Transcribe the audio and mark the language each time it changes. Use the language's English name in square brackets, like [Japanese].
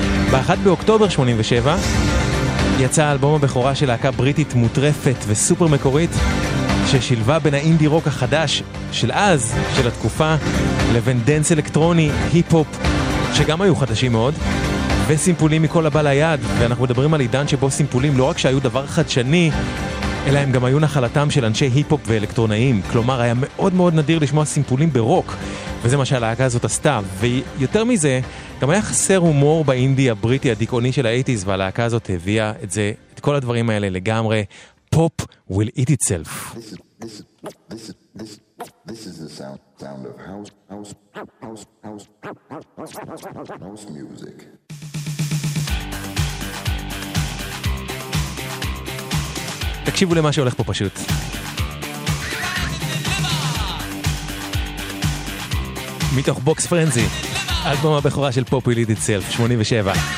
[Hebrew] באחד באוקטובר 87, יצא אלבום הבכורה של להקה בריטית מוטרפת וסופר מקורית, ששילבה בין האינדי רוק החדש של אז, של התקופה, לבין דנס אלקטרוני, היפ-הופ, שגם היו חדשים מאוד, וסימפולים מכל הבא ליד, ואנחנו מדברים על עידן שבו סימפולים לא רק שהיו דבר חדשני, אלא הם גם היו נחלתם של אנשי היפ-הופ ואלקטרונאים. כלומר, היה מאוד מאוד נדיר לשמוע סימפולים ברוק, וזה מה שהלהקה הזאת עשתה. ויותר מזה, גם היה חסר הומור באינדי הבריטי הדיכאוני של ה-80s, והלהקה הזאת הביאה את זה, את כל הדברים האלה לגמרי. [English] Pop will eat itself. This is the sound of house music. [Hebrew] תקשיבו למה שהולך פה פשוט. מתוך בוקס פרנזי, אלבום הבכורה של Pop will eat itself, 87.